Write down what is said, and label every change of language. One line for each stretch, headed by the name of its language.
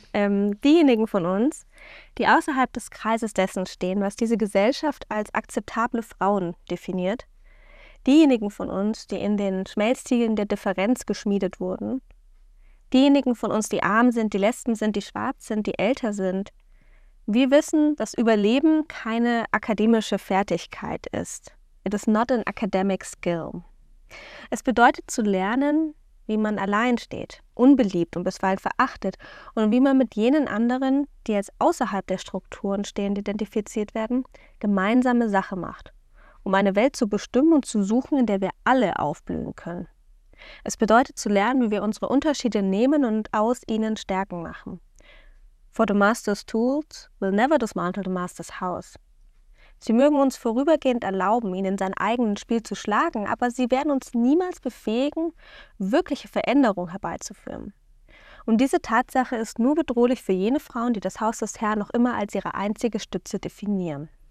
German: Diejenigen von uns, die außerhalb des Kreises dessen stehen, was diese Gesellschaft als akzeptable Frauen definiert, diejenigen von uns, die in den Schmelztiegeln der Differenz geschmiedet wurden, diejenigen von uns, die arm sind, die Lesben sind, die schwarz sind, die älter sind, wir wissen, dass Überleben keine akademische Fertigkeit ist.
English: It is not an academic skill.
German: Es bedeutet zu lernen, wie man allein steht, unbeliebt und bisweilen verachtet und wie man mit jenen anderen, die als außerhalb der Strukturen stehend identifiziert werden, gemeinsame Sache macht, um eine Welt zu bestimmen und zu suchen, in der wir alle aufblühen können. Es bedeutet zu lernen, wie wir unsere Unterschiede nehmen und aus ihnen Stärken machen.
English: For the master's tools will never dismantle the master's house.
German: Sie mögen uns vorübergehend erlauben, ihn in sein eigenes Spiel zu schlagen, aber sie werden uns niemals befähigen, wirkliche Veränderungen herbeizuführen. Und diese Tatsache ist nur bedrohlich für jene Frauen, die das Haus des Herrn noch immer als ihre einzige Stütze definieren.